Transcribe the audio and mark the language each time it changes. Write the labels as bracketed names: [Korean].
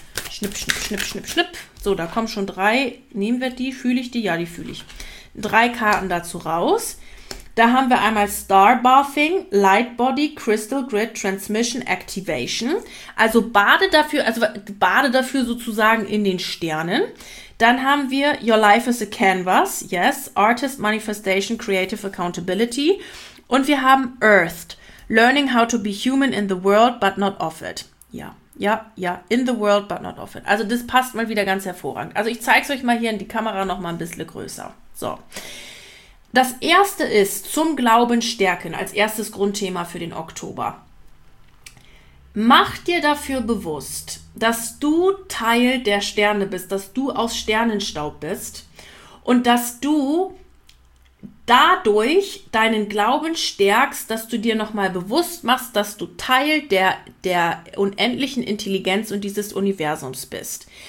[German] Schnipp, schnipp, schnipp, schnipp, schnipp. So, da kommen schon drei. Nehmen wir die? Fühle ich die? Ja, die fühle ich. Drei Karten dazu raus. Da haben wir einmal [English] Star Bathing, Light Body, Crystal Grid, Transmission, Activation. [German] Also bade dafür sozusagen in den Sternen. Dann haben wir [English] Your Life is a Canvas. Yes, Artist, Manifestation, Creative Accountability. [German] Und wir haben [English] Earthed. Learning how to be human in the world, but not of it. Ja, ja, ja, in the world, but not of it. [German] Also das passt mal wieder ganz hervorragend. Also ich zeige es euch mal hier in die Kamera noch mal ein bisschen größer. So, das erste ist zum Glauben stärken als erstes Grundthema für den Oktober. Mach dir dafür bewusst, dass du Teil der Sterne bist, dass du aus Sternenstaub bist und dass du dadurch deinen Glauben stärkst, dass du dir nochmal bewusst machst, dass du Teil der unendlichen Intelligenz und dieses Universums bist.